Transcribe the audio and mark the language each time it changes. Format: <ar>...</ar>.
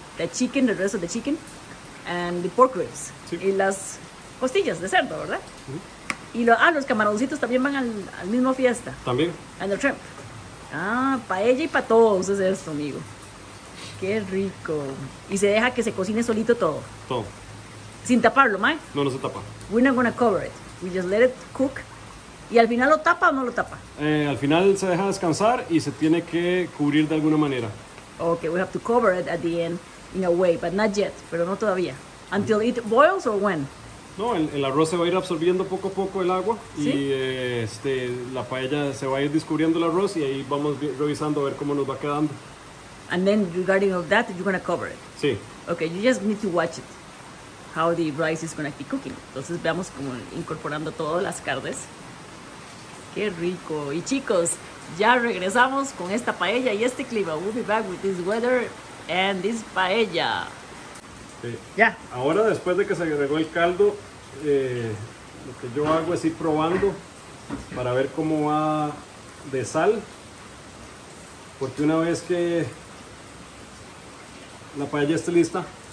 <en>The chicken, the rest of the chicken, and the pork ribs.</en> <es>Sí. Y las costillas de cerdo, ¿verdad? Uh-huh. Y los camaroncitos también van al mismo fiesta. También.</es> <en>And the shrimp.</en> <es>Ah, paella y para todos es esto, amigo. Qué rico. Y se deja que se cocine solito todo. Todo. Sin taparlo, ¿mae? No, no se tapa.</es> <en>We're not gonna cover it. We just let it cook.</en> <es>¿Y al final lo tapa o no lo tapa? Al final se deja descansar y se tiene que cubrir de alguna manera.</es> <en>Okay, we have to cover it at the end in a way, but not yet, pero no todavía. Until it boils or when?</en> <es>No, el arroz se va a ir absorbiendo poco a poco el agua. ¿Sí? Y este, la paella se va a ir descubriendo el arroz y ahí vamos revisando a ver cómo nos va quedando.</es> <en>And then regarding of that, you're going to cover it.</en> <es>Sí.</es> <en>Okay, you just need to watch it, how the rice is going to be cooking.</en> <es>Entonces veamos como incorporando todas las carnes. Qué rico. Y chicos, ya regresamos con esta paella y este clima.</es> <en>We'll be back with this weather and this paella.</en> <es>Sí. Ya. Ahora, después de que se agregó el caldo, lo que yo hago es ir probando para ver cómo va de sal. Porque una vez que la paella esté lista,</es>